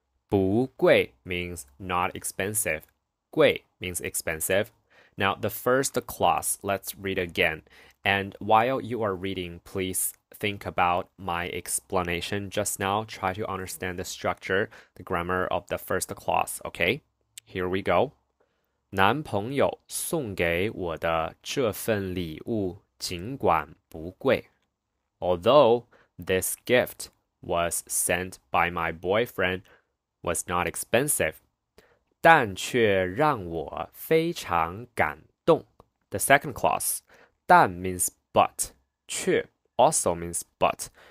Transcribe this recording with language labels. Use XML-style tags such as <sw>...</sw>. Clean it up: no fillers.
<zh>不贵</zh> <en>means not expensive. 贵 means expensive. Now the first class, let's read again. And while you are reading, please think about my explanation just now. Try to understand the structure, the grammar of the first clause, okay? Here we go.</en> <zh>男朋友送给我的这份礼物尽管不贵.</zh> <en>Although this gift was sent by my boyfriend was not expensive,</en> <zh>但却让我非常感动.</zh> <en>The second clause, 但 means but, 却 also means but.</en>